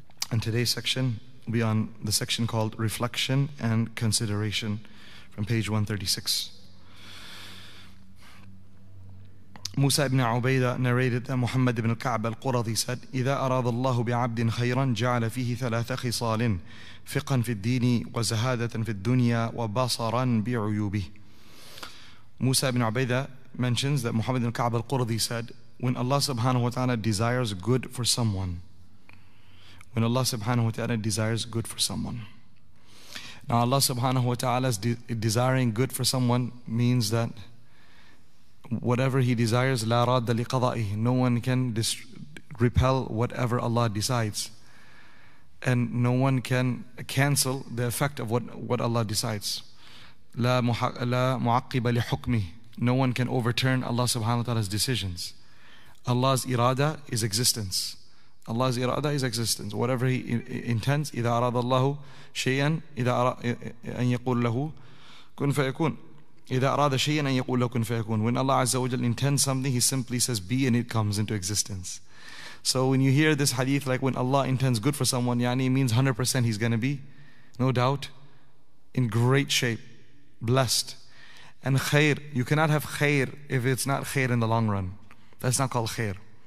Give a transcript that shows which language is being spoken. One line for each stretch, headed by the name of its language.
English: And today's section will be on the section called Reflection and Consideration from page 136. Musa ibn Ubaidah narrated that Muhammad ibn Ka'b al-Quradi said,
Arabic: إِذَا أَرَادَ اللَّهُ بِعَبْدٍ خَيْرًا جَعَلَ فِيهِ ثَلَاثَ خِصَالٍ فِقًّا فِي الدِّينِ وَزَهَادَةً فِي الدُّنْيَا وَبَصَرًا بِعُيُوبِهِ.
English: Musa ibn Ubaidah mentions that Muhammad ibn Ka'b al-Quradi said, when Allah subhanahu wa ta'ala desires good for someone, when Allah subhanahu wa ta'ala desires good for someone. Now Allah subhanahu wa ta'ala's desiring good for someone means that whatever he desires,
Arabic: لا راد لقضائه.
English: No one can repel whatever Allah decides. And no one can cancel the effect of what Allah decides.
Arabic: لا معقب لحكمه.
English: No one can overturn Allah subhanahu wa ta'ala's decisions. Allah's irada is existence. Allah's irada is existence. Whatever he intends,
Arabic: إذا أراد الله شيئا إذا أن يقول له كن فيكون. إذا أراد شيئاً أن يقول له كن فيكون.
English: When Allah Azza wa Jal intends something, He simply says be and it comes into existence. So when you hear this hadith, like when Allah intends good for someone, يعني it means 100% He's going to be, no doubt, in great shape, blessed. And khair, you cannot have khair if it's not khair in the long run. That's not called khair.